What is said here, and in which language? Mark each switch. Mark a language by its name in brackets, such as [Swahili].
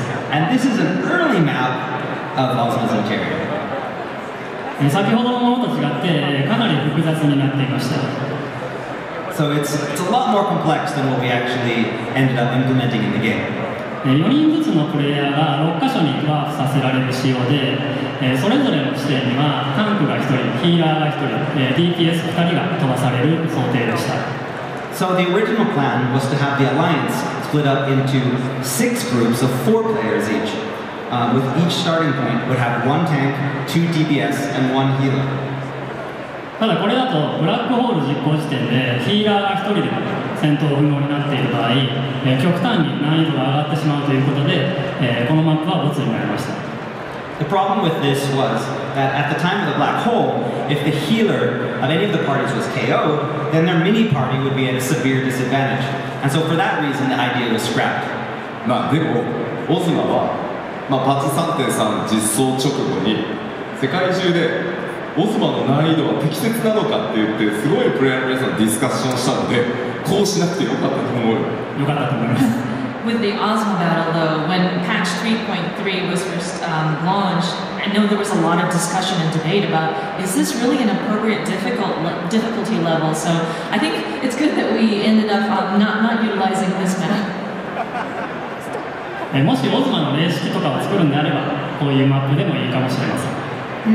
[English] And this is an early map of Ozma's interior. [Japanese] 先ほどのものと違ってかなり複雑になっていました。 [English] So it's a lot more complex than what we actually ended up implementing in the game. [Japanese] 4人ずつのプレイヤーが6箇所にワープさせられる仕様で、それぞれの地点にはタンクが1人、ヒーラーが1人、DPS2 人が飛ばされる想定でした。 [English] So the original plan was to have the alliance split up into 6 groups of 4 players each. With each starting point would have one tank, two DPS, and one healer. [Japanese] ただこれだとブラックホール実行時点でヒーラーが1人で戦闘不能になっている場合、極端に難易度が上がってしまうということで、このマップはボツになりました。 [English] The problem with this was that at the time of the black hole, if the healer of any of the parties was KO'd, then their mini party would be at a severe disadvantage. And so for that reason, the idea was scrapped. [Japanese] まあでも、オズマはまあ、パッチ 3.3 実装直後に世界中でオズマの難易度は適切なのかって言ってすごいプレイヤーの皆さんディスカッションしたのでこうしなくてよかったと思うよかったと思います [English] With the Ozma battle though, when patch 3.3 was first launched, I know there was a lot of discussion and debate about is this really an appropriate difficulty level, so I think it's good that we ended up not utilizing this meta [Japanese] もしオズマの霊式とかを作るんであればこういうマップでもいいかもしれません